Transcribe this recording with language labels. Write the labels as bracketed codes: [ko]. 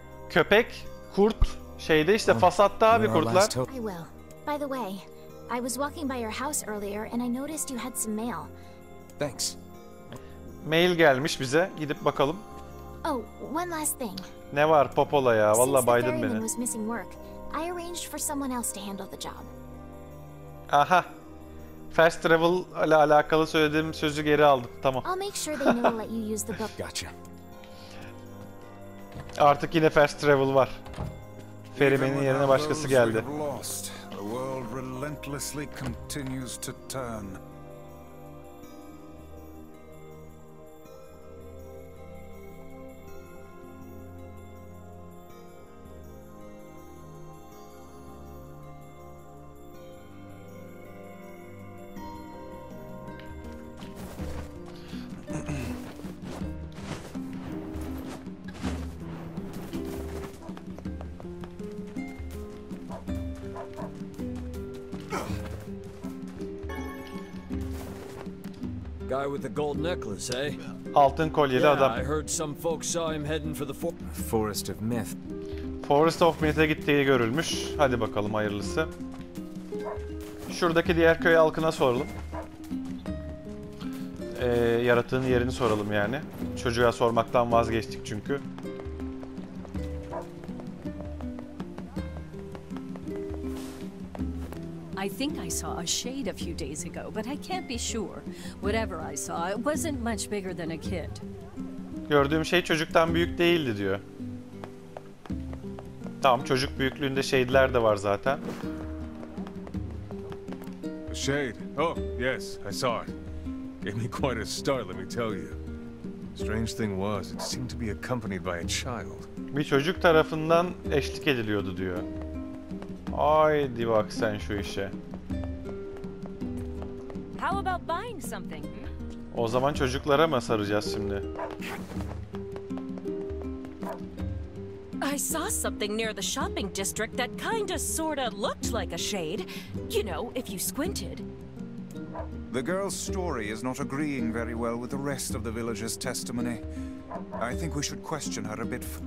[tr] Köpek, kurt, şeyde işte fasatta abi kurtlar. [en] I will. By the way, I was walking by your house earlier and I noticed you had some mail. Thanks. [tr] Mail gelmiş bize. Gidip bakalım. [en] Oh, one last thing. [tr] Ne var Popola ya? Vallahi baydın beni. [en] Since the ferryman was missing work, I arranged for someone else to handle the job. Aha. [tr] Fast travel ile alakalı söylediğim sözü geri aldım. Tamam. [en] I'll make sure they never let you use the book. Gotcha. [tr] Artık yine fast travel var. Ferryman'in yerine başkası geldi. [en] The world relentlessly continues to turn. Guy with the gold necklace, eh? [tr] Altın kolyeli yeah, adam. [en] I heard some folks saw him heading for the Forest of Myth. [tr] Forest of Myth'e gittiği görülmüş. Hadi bakalım hayırlısı. Şuradaki diğer köy halkına soralım. Yaratığın yerini soralım yani. Çocuğa sormaktan vazgeçtik çünkü. [en] I think I saw a shade a few days ago, but I can't be sure. Whatever I saw, it wasn't much bigger than a kid. [tr] Gördüğüm şey çocuktan büyük değildi diyor. Tamam, çocuk büyüklüğünde şeyler de var zaten. [en] A shade. Oh, yes, I saw it. Gave me quite a start, let me tell you. Strange thing was, it seemed to be accompanied by a child. [tr] Bir çocuk tarafından eşlik ediliyordu diyor. Haydi bak sen şu işe. [en] How about buying something? [tr] O zaman çocuklara mı saracağız şimdi? [en] I saw something near the shopping district that kinda sorta looked like a shade. You know, if you squinted. The girl's story is not agreeing very well with the rest of the villagers' testimony. I think we should question her a bit.